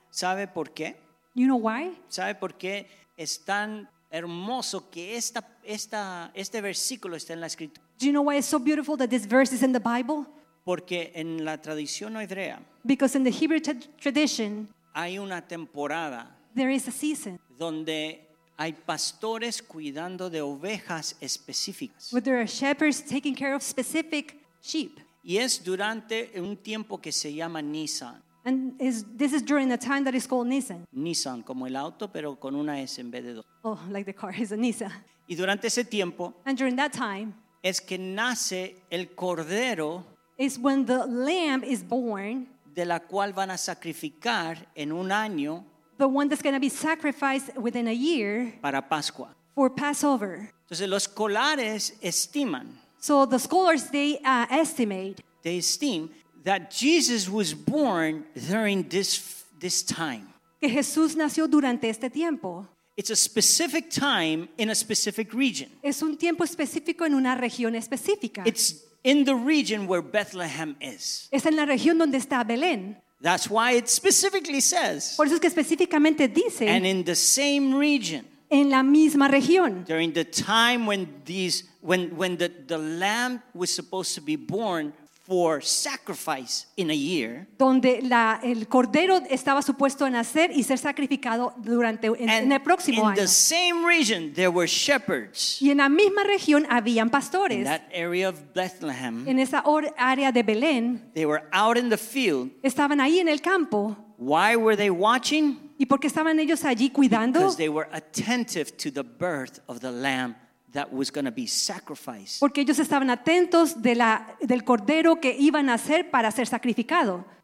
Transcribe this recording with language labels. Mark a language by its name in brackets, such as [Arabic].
[Spanish] ¿Sabe por qué? [English] You know why? [Spanish] ¿Sabe por qué es tan hermoso que este versículo está en la escritura? [English] Do you know why it's so beautiful that this verse is in the Bible? [Spanish] Porque en la tradición hebrea, [English] because in the Hebrew tradition, [Spanish] hay una temporada, [English] there is a season, [Spanish] donde hay pastores cuidando de ovejas específicas, [English] where there are shepherds taking care of specific sheep, [Spanish] y es durante un tiempo que se llama Nisan, [English] and this is during the time that is called Nisan. [Spanish] Nisan, como el auto, pero con una S en vez de dos. [English] Oh, like the car is a Nisan. [Spanish] Y durante ese tiempo, [English] and during that time, [Spanish] es que nace el cordero. [English] Is when the lamb is born, [Spanish] de la cual van a sacrificar en un año, [English] the one that's going to be sacrificed within a year, [Spanish] para Pascua, [English] for Passover. [Spanish] Entonces los escolares estiman, [English] so the scholars estimate, they esteem that Jesus was born during this time. [Spanish] Que Jesús nació durante este tiempo. [English] It's a specific time in a specific region. [Spanish] Es un tiempo específico en una región específica. [English] It's in the region where Bethlehem is. [Spanish] Es en la región donde está Belén. [English] That's why it specifically says. [Spanish] Por eso es que específicamente dice. [English] And in the same region. [Spanish] En la misma región. [English] During the time when these, when the lamb was supposed to be born for sacrifice in a year. [Spanish] Donde la el cordero estaba supuesto nacer y ser sacrificado durante en el próximo in año. [English] In the same region there were shepherds. [Spanish] Y en la misma región habían pastores. [English] In that area of Bethlehem. [Spanish] En esa área de Belén. [English] They were out in the field. [Spanish] Estaban ahí en el campo. [English] Why were they watching? [Spanish] ¿Y por qué estaban ellos allí cuidando? [English] Because they were attentive to the birth of the lamb that was going to be sacrificed. [Spanish] Porque ellos estaban atentos de la del cordero que iban a ser para ser sacrificado.